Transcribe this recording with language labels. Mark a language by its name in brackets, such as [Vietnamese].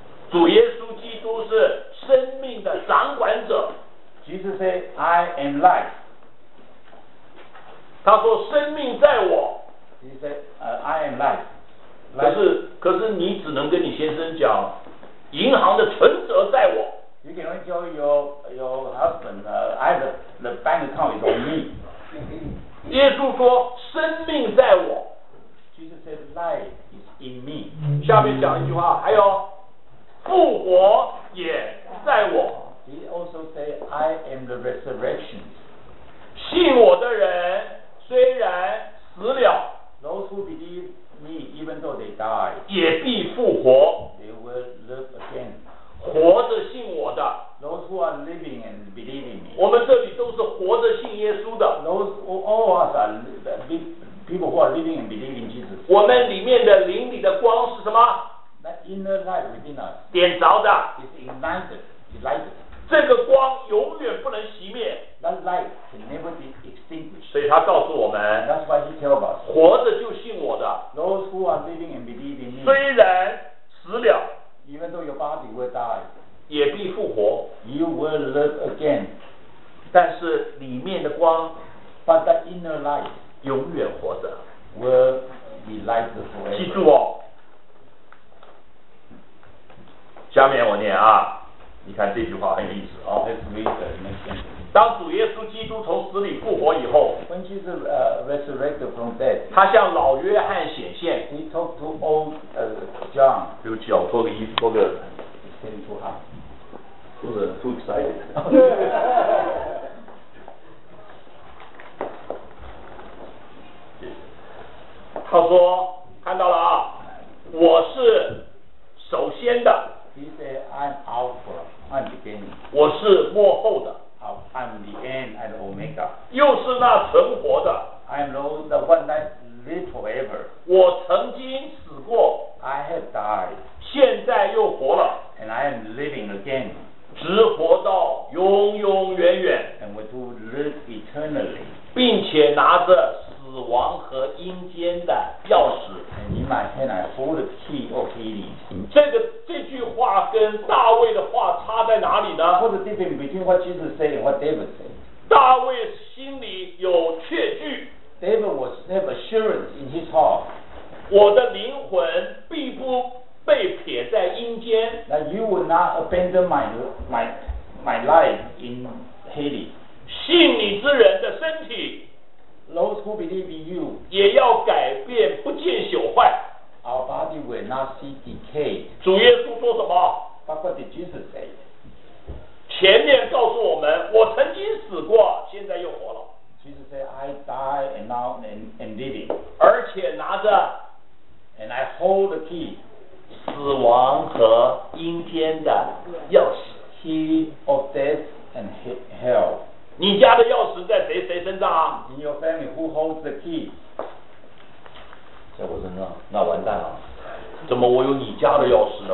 [Chinese] 主耶稣基督是生命的掌管者。 [English] Jesus said, "I am life." [Chinese] 他说：“生命在我。 [English] ”He said, "I am life." [Chinese] 可是你只能跟你先生讲，银行的存折在我。 [English] You can only tell your husband, I have the bank account is on me. [Chinese] 耶稣说，生命在我。 [English] Jesus said, life is in me. [Chinese] 下面讲一句话，还有，复活也在我。 [English] He also said, I am the resurrection. [Chinese] 信我的人虽然死了 [English] ，Those who believe me, even though they die, [Chinese] 也必复活。 [English] They will live again. [Chinese] 活着信我的 [English] ，Those who are living and believing me， [Chinese] 我们这里都是活着信耶稣的 [English] ，Those all of us are people who are living and believing Jesus。 [Chinese] 我们里面的灵里的光是什么 [English] ？That inner light within us， [Chinese] 点着的 [English] ，is ignited， is lighted。 [Chinese] 这个光永远不能熄灭 [English] ，That light can never be extinguished。 [Chinese] 所以他告诉我们 [English] ，That's why he tells us， [Chinese] 活着就信我的 [English] ，Those who are living and believing me， [Chinese] 虽然死了。 [English] Even though your body will die, [Chinese] 也必复活 [English] You will live again. [Chinese] 但是里面的光 [English] But the inner light [Chinese] 永远活着 [English] Will be light forever. [Chinese] 记住哦，下面我念啊，你看这句话很有意思啊。当主耶稣基督从死里复活以后， [English] When Jesus resurrected from death, [Chinese] 他向老约翰显现。 [English] He talked to old John. [Chinese] 对不起，我脱个衣服，脱个。 [English] Getting too hot. Too excited. [Chinese] 他说，看到了啊，我是首先的。 [English] He said, I'm Alpha, I'm beginning. [Chinese] 我是末后的。 [English] I'm the end and omega. [Chinese] 又是那存活的。 [English] I'm the one that lives forever. [Chinese] 我曾经死过。 [English] I have died. [Chinese] 现在又活了。 [English] And I am living again. [Chinese] 直活到永永远远。 [English] And we do live eternally. [Chinese] 并且拿着死亡和阴间的钥匙。 [English] And in my hand I hold the key of Hades. [Chinese] 这句话跟大卫的话差在哪里呢？ [English] What's the difference between what Jesus said and what David said? [Chinese] 大卫心里有确据。 [English] David was have assurance in his heart. [Chinese] 我的灵魂必不被撇在阴间。 [English] That you will not abandon my life in Hades. [Chinese] 信你之人的身体， [English] Those who believe in you, [Chinese] 也要改变不见朽坏。 [English] Our body will not see decay. [Chinese] 主耶稣说什么？ [English] But what did Jesus say? [Chinese] 前面告诉我们，我曾经死过，现在又活了。 [English] Jesus said, I die and now and living. [Chinese] 而且拿着， [English] and I hold the key, [Chinese] 死亡和阴间的钥匙， [English] key of death and hell. [Chinese] 你家的钥匙在谁身上？ [English] In your family, who holds the key? [Chinese] 在我身上，那完蛋了，怎么我有你家的钥匙呢？